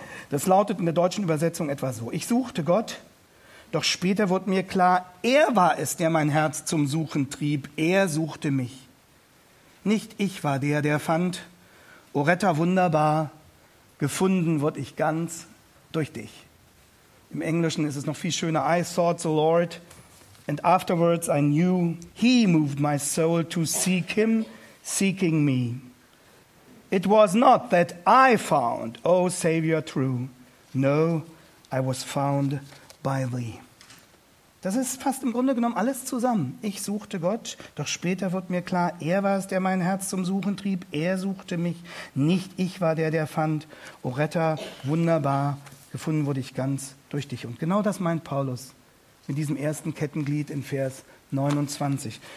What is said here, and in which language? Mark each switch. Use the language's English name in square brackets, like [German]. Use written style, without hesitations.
[German] Das lautet in der deutschen Übersetzung etwa so. Ich suchte Gott, doch später wurde mir klar, er war es, der mein Herz zum Suchen trieb. Er suchte mich. Nicht ich war der, der fand, o Retter, wunderbar, gefunden wurde ich ganz durch dich. Im Englischen ist es noch viel schöner. [English] I sought the Lord, and afterwards I knew, he moved my soul to seek him, seeking me. It was not that I found, O Savior true, no, I was found by thee. [German] Das ist fast im Grunde genommen alles zusammen. Ich suchte Gott, doch später wurde mir klar, er war es, der mein Herz zum Suchen trieb. Er suchte mich, nicht ich war der, der fand. O Retter, wunderbar, gefunden wurde ich ganz durch dich. Und genau das meint Paulus mit diesem ersten Kettenglied in Vers 29.